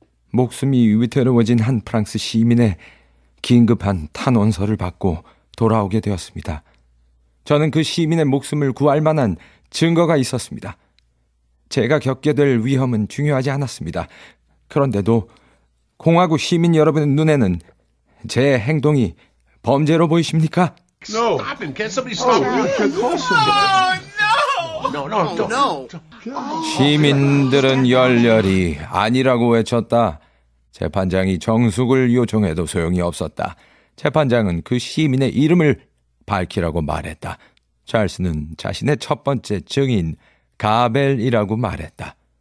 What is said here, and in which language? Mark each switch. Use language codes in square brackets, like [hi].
[ko] 목숨이 위태로워진 한 프랑스 시민의 긴급한 탄원서를 받고 돌아오게 되었습니다. 저는 그 시민의 목숨을 구할 만한 증거가 있었습니다. 제가 겪게 될 위험은 중요하지 않았습니다. 그런데도 공화국 시민 여러분의 눈에는 제 행동이 범죄로 보이십니까? [en] No. Stop him. Can somebody stop him? Oh, you can call somebody. No. [ko] 시민들은 열렬히 아니라고 외쳤다. 재판장이 정숙을 요청해도 소용이 없었다. 재판장은 그 시민의 이름을 밝히라고 말했다. 찰스는 자신의 첫 번째 증인 가벨이라고 말했다.